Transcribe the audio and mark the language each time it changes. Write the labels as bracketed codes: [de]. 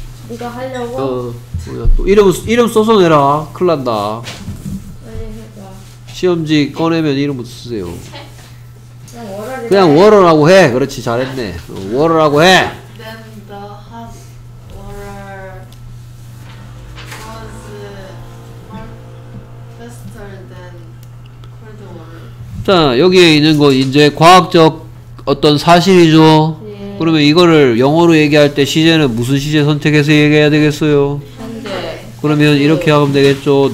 [ko] 이거 하려고? 뭐야 또 이름 써서 내라. 큰일 난다. 시험지 꺼내면 이름부터 쓰세요. 그냥 워러라고 해. 그렇지 잘했네. 워러라고 해. [en] Then the hot water was faster than cold water. [ko] 자 여기에 있는 건 이제 과학적 어떤 사실이죠. 예. 그러면 이거를 영어로 얘기할 때 시제는 무슨 시제 선택해서 얘기해야 되겠어요? 현재. 그러면 이렇게 하면 되겠죠.